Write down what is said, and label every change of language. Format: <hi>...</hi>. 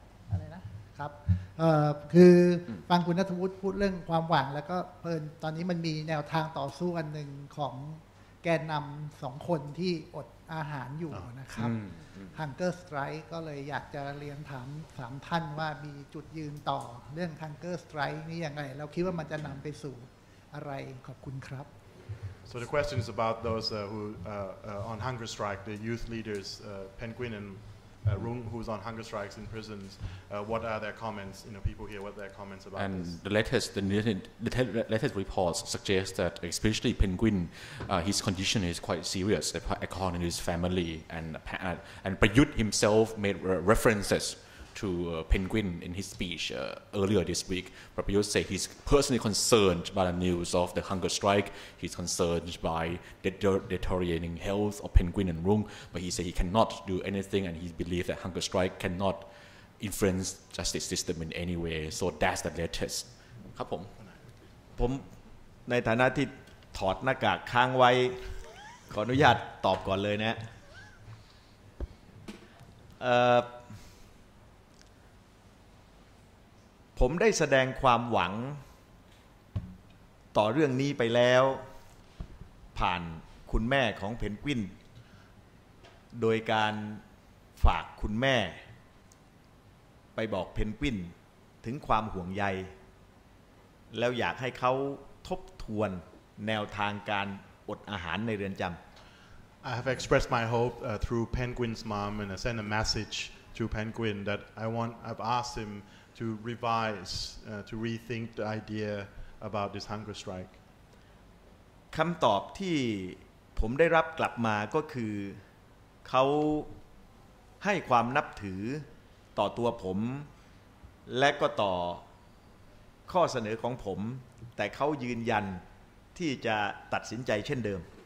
<th>อะไรนะครับคือฟังคุณณัฐวุฒิพูดเรื่องความหวังแล้วก็เพลินตอนนี้มันมีแนวทางต่อสู้อันหนึ่งของแกนนำสองคนที่อดอาหารอยู่นะครับHunger Strike ก็เลยอยากจะเรียนถาม3ท่านว่ามีจุดยืนต่อเรื่อง Hunger Strike นี้ยังไงแล้วคิดว่ามันจะนำไปสู่อะไรขอบคุณครับ</th> <en>So the question is about those who on Hunger Strike the youth leaders Penguin and Rung who's on Hunger Strikes in prisons what are their comments you know people here what their comments about and this And the latest reports suggest that especially Penguin his condition is quite serious according to his family and Prayut himself made references to Penguin in his speech earlier this week Prayut said he's personally concerned by the news of the hunger strike he's concerned by the deteriorating health of Penguin and Rung but he said he cannot do anything and he believes that hunger strike cannot influence justice system in any way so that's the latest ครับผม</en> <th>ผมในฐานะที่ถอดหน้ากากค้างไว้ขออนุญาตตอบก่อนเลยนะ ผมได้แสดงความหวังต่อเรื่องนี้ไปแล้วผ่านคุณแม่ของเพนกวินโดยการฝากคุณแม่ไปบอกเพนกวินถึงความห่วงใยแล้วอยากให้เขาทบทวนแนวทางการอดอาหารในเรือนจำ</th> <en>I have expressed my hope through Penguin's mom and I sent a message to Penguin that I've asked himTo revise, to rethink the idea about this hunger strike.</en> <th>คำตอบที่ผ ผมได้รับกลับมาก็คือเขาให้ความนับถือต่อตัวผมและก็ต่อข้อเสนอของผมแต่เขายืนยันที่จะตัดสินใจเช่นเดิม</th>